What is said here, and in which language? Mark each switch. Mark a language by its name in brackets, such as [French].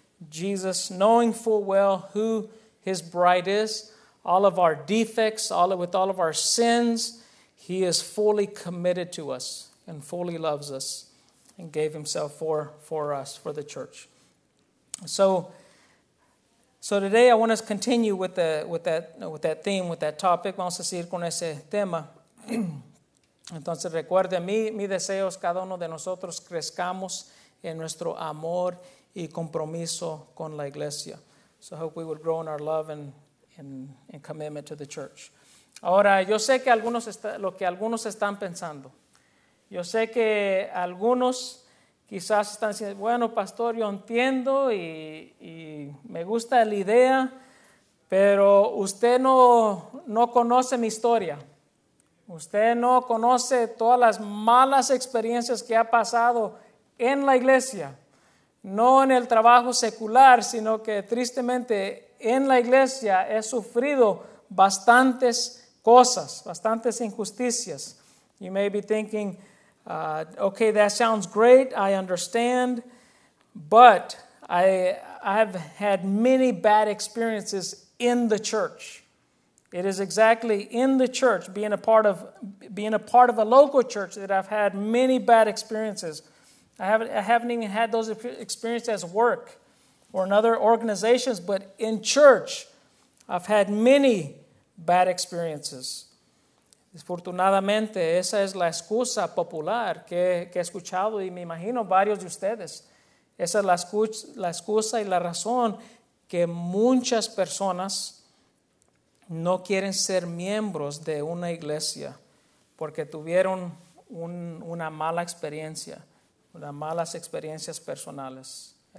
[English] Jesus, knowing full well who his bride is, all of our defects, all of our sins, he is fully committed to us and fully loves us and gave himself for us, for the church. So today I want us to continue with that theme, with that topic. [Spanish] Vamos a seguir con ese tema. Entonces recuerde, mi deseo es cada uno de nosotros crezcamos en nuestro amor y compromiso con la iglesia. [English] So I hope we will grow in our love and commitment to the church. [Spanish] Ahora, yo sé que algunos están pensando. Yo sé que algunos quizás están diciendo, bueno, pastor, yo entiendo y me gusta la idea, pero usted no conoce mi historia. Usted no conoce todas las malas experiencias que ha pasado en la iglesia, no en el trabajo secular, sino que tristemente en la iglesia he sufrido bastantes cosas, bastantes injusticias. [English] You may be thinking, Okay, that sounds great. I understand. But I've had many bad experiences in the church. It is exactly in the church, being a part of a local church, that I've had many bad experiences. I haven't even had those experiences at work or in other organizations, but in church, I've had many bad experiences. [Spanish] Desafortunadamente, esa es la excusa popular que he escuchado, y me imagino varios de ustedes. Esa es la excusa y la razón que muchas personas no quieren ser miembros de una iglesia porque tuvieron una mala experiencia, unas malas experiencias personales.